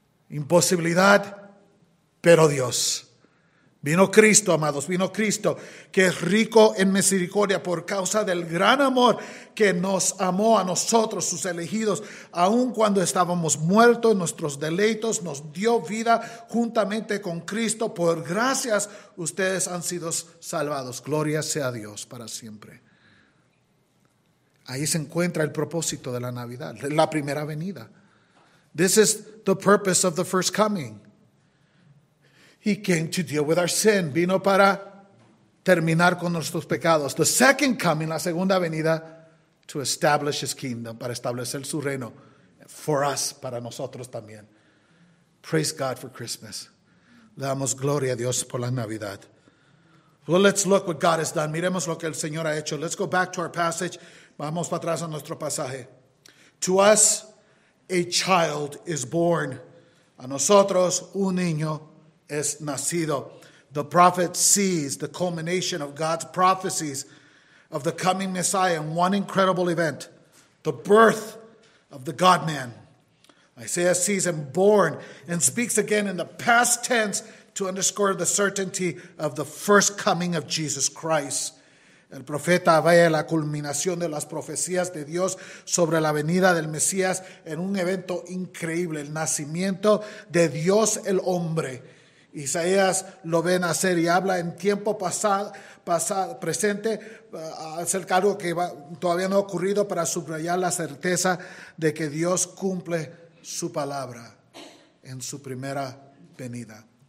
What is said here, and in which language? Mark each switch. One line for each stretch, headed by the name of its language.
Spanish: Imposibilidad, pero Dios. Vino Cristo, amados, vino Cristo, que es rico en misericordia por causa del gran amor que nos amó a nosotros, sus elegidos, aun cuando estábamos muertos en nuestros deleitos, nos dio vida juntamente con Cristo. Por gracias, ustedes han sido salvados. Gloria sea Dios para siempre. Ahí se encuentra el propósito de la Navidad, la primera venida.
English: This is the purpose of the first coming. He came to deal with our sin.
Spanish: Vino para terminar con nuestros pecados.
English: The second coming,
Spanish: la segunda venida,
English: to establish his kingdom,
Spanish: para establecer su reino.
English: For us,
Spanish: para nosotros también.
English: Praise God for Christmas.
Spanish: Le damos gloria a Dios por la Navidad.
English: Well, let's look what God has done.
Spanish: Miremos lo que el Señor ha hecho.
English: Let's go back to our passage.
Spanish: Vamos para atrás a nuestro pasaje.
English: To us, a child is born.
Spanish: A nosotros, un niño es nacido.
English: The prophet sees the culmination of God's prophecies of the coming Messiah in one incredible event, the birth of the God-man. Isaiah sees him born and speaks again in the past tense to underscore the certainty of the first coming of Jesus Christ.
Spanish: El profeta ve la culminación de las profecías de Dios sobre la venida del Mesías en un evento increíble, el nacimiento de Dios el hombre. Isaías lo ve nacer y habla en tiempo presente, acerca de algo que todavía no ha ocurrido para subrayar la certeza de que Dios cumple su palabra en su primera venida.